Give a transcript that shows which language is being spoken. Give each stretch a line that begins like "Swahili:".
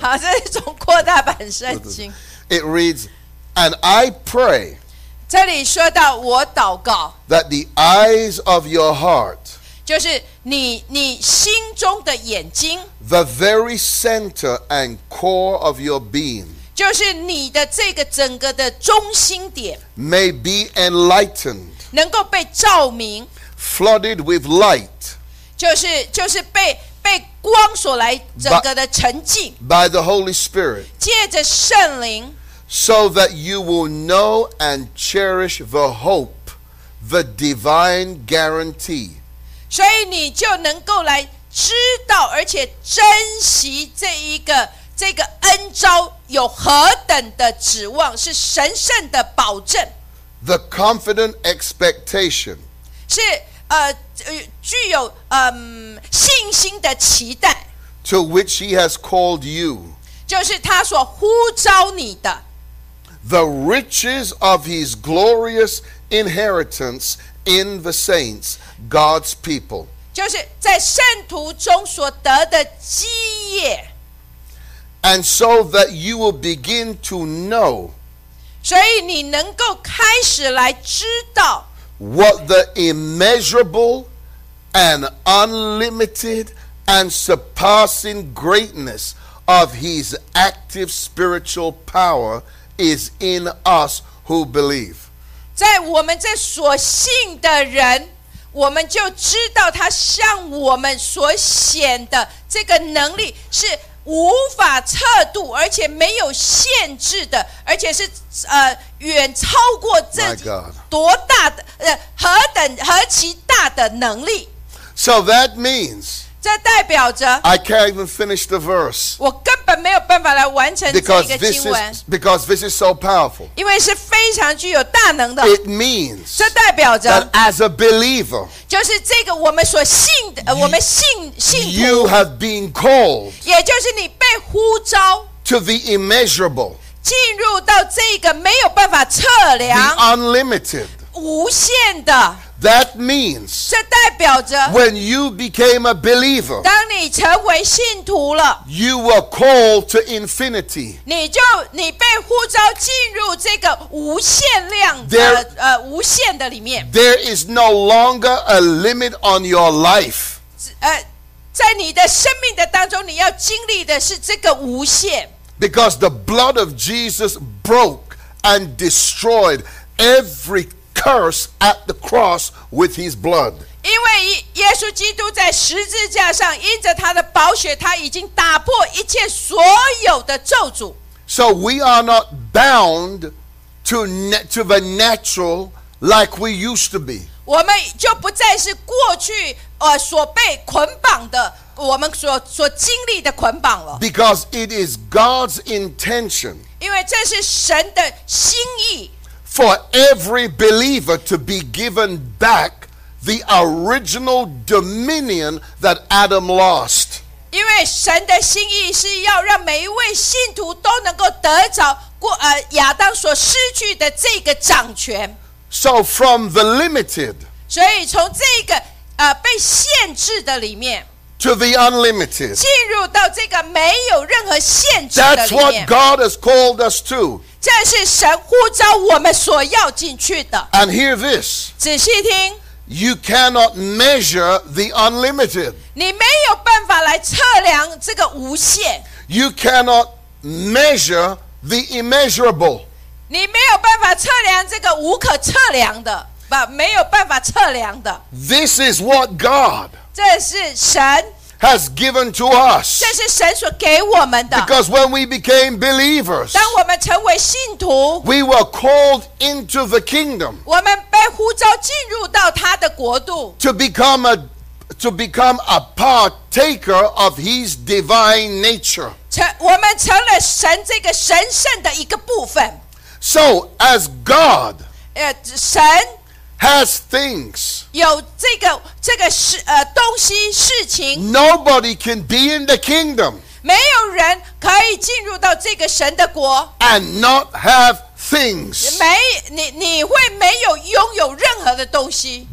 Chinese: 好，这是从扩大版圣经。
English: It reads, "And I pray."
Chinese: 这里说到我祷告。
English: That the eyes of your heart.
Chinese: 就是你心中的眼睛。
English: The very center and core of your being.
Chinese: 就是你的这个整个的中心点
English: may be enlightened
Chinese: 能够被照明
English: flooded with light
Chinese: 就是被光所来整个的沉浸
English: by the Holy Spirit
Chinese: 借着圣灵
English: so that you will know and cherish the hope the divine guarantee
Chinese: 所以你就能够来知道而且珍惜这个恩召有何等的指望是神圣的保证
English: The confident expectation
Chinese: 是具有信心的期待
English: To which he has called you
Chinese: 就是他所呼召你的
English: The riches of his glorious inheritance in the saints God's people
Chinese: 就是在圣徒中所得的基业
English: And so that you will begin to know
Chinese: 所以你能够开始来知道
English: what the immeasurable and unlimited and surpassing greatness of his active spiritual power is in us who believe
Chinese: 在我们这所信的人，我们就知道他向我们所显的这个能力是无法测度，而且没有限制的，而且是远超过这多大的何等何其大的能力。
English: So that means.
Chinese: 这代表着
English: I can't even finish the verse.
Chinese: 我根本没有办法来完成这个经文。
English: Because this is so powerful.
Chinese: 因为是非常具有大能的。
English: It means.
Chinese: 这代表着
English: that as a believer.
Chinese: 就是这个我们所信的，我们信徒。
English: You have been called.
Chinese: 也就是你被呼召
English: to the immeasurable.
Chinese: 进入到这个没有办法测量
English: the unlimited.
Chinese: 无限的。
English: That means,
Chinese: 这代表着
English: when you became a believer,
Chinese: 当你成为信徒了
English: you were called to infinity.
Chinese: 你被呼召进入这个无限量的 无限的里面
English: There is no longer a limit on your life.
Chinese: 在你的生命的当中，你要经历的是这个无限
English: Because the blood of Jesus broke and destroyed every curse at the cross with his blood.
Chinese: 因为耶稣基督在十字架上，因着他的宝血，他已经打破一切所有的咒诅。
English: So we are not bound to the natural like we used to be.
Chinese: 我们就不再是过去所被捆绑的，我们所经历的捆绑了。
English: Because it is God's intention.
Chinese: 因为这是神的心意。
English: For every believer to be given back the original dominion that Adam lost.
Chinese: 因为神的心意是要让每一位信徒都能够得着亚当所失去的这个掌权。
English: So from the limited.
Chinese: 所以从这个被限制的里面。
English: To the unlimited.
Chinese: 进入到这个没有任何限制的里面。
English: That's what God has called us to.
Chinese: 这是神呼召我们所要进去的。
English: And hear this.
Chinese: 仔细听。
English: You cannot measure the unlimited.
Chinese: 你没有办法来测量这个无限。
English: You cannot measure the immeasurable.
Chinese: 你没有办法测量这个无可测量的，没有办法测量的。
English: This is what God.
Chinese: 这是神。
English: Has given to us.
Chinese: 这是神所给我们的。
English: Because when we became believers,
Chinese: 当我们成为信徒
English: we were called into the kingdom.
Chinese: 我们被呼召进入到他的国度
English: to become a partaker of his divine nature.
Chinese: 我们成了神这个神圣的一个部分。
English: So as God,
Chinese: 神
English: Has things.
Chinese: 有这个东西事情。
English: Nobody can be in the kingdom.
Chinese: 没有人可以进入到这个神的国。
English: And not have things.
Chinese: 你会没有拥有任何的东西。